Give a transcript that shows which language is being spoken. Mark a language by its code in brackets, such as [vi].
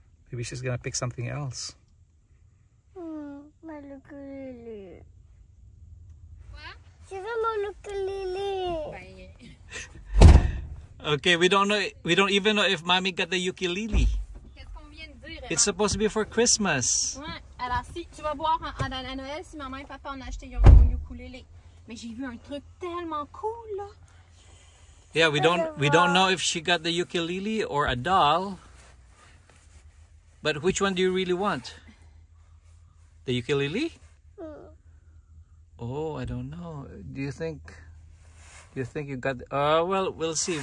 [en] Maybe she's gonna pick something else. My ukulele. What? She's a my ukulele. Okay, we don't know. We don't even know if mommy got the ukulele. It's supposed to be for Christmas. [fr] Alors si tu vas voir à Noël si maman et papa ont acheté un ukulele, mais j'ai vu un truc tellement cool là. [en] Yeah, we don't know if she got the ukulele or a doll. But which one do you really want? The ukulele? Oh, I don't know. Do you think you got? Well, we'll see.